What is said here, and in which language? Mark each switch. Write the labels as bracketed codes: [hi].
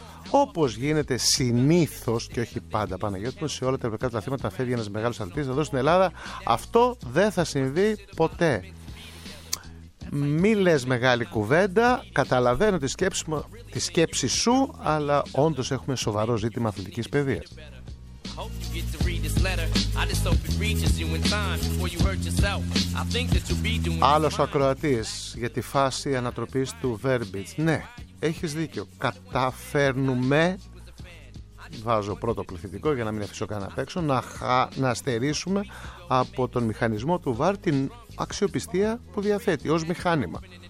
[el] Όπως γίνεται συνήθως και όχι πάντα, Παναγιώτη, που σε όλα τα ευρωπαϊκά τα θέματα φεύγει ένας μεγάλος αθλητής, εδώ στην Ελλάδα αυτό δεν θα συμβεί ποτέ. Μη λες μεγάλη κουβέντα, καταλαβαίνω τη σκέψη σου, αλλά όντως έχουμε σοβαρό ζήτημα αθλητικής παιδείας. [en] Hope you get to read this letter. I just hope it reaches you in time before you hurt yourself. I think that you'll be doing. [el] Άλλος ακροατής για τη φάση ανατροπής του Verbiage. Ναι, έχεις δίκιο. Καταφέρνουμε, βάζω πρώτο πληθυντικό για να μην αφήσω κανένα απ' έξω, να στερήσουμε από τον μηχανισμό του VAR την αξιοπιστία που διαθέτει ως μηχάνημα.